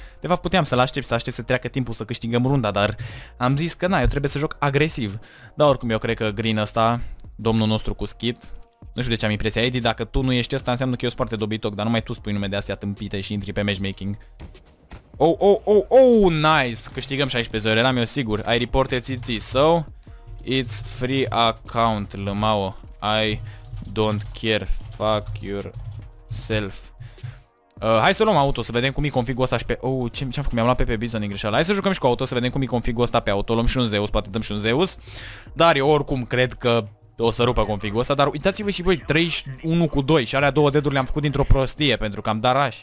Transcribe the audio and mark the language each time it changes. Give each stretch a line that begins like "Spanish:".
Romanian: De fapt, puteam să-l aștept, să aștept să treacă timpul să câștigăm runda, dar am zis că na, eu trebuie să joc agresiv. Dar oricum, eu cred că green ăsta, domnul nostru cu skit, nu știu de ce am impresia, Eddie, dacă tu nu ești ăsta, înseamnă că eu sunt foarte dobitoc, dar numai tu spui nume de astea tâmpite și intri pe matchmaking. Oh, oh, oh, oh, nice! Câștigăm 16 ore, eram eu sigur.
English: I reported it, so it's free account, lmao. I don't care, fuck yourself.
Romanian: Hai să luăm auto, să vedem cum e configul ăsta și pe... oh, ce-am făcut? Mi-am luat pe Bison în greșeală. Hai să jucăm și cu auto, să vedem cum e configul ăsta pe auto. Luăm și un Zeus, poate dăm și un Zeus. Dar eu oricum cred că o să rupă configul ăsta. Dar uitați-vă și voi, 31 cu 2 și alea două deduri le-am făcut dintr-o prostie, pentru că am dat rush.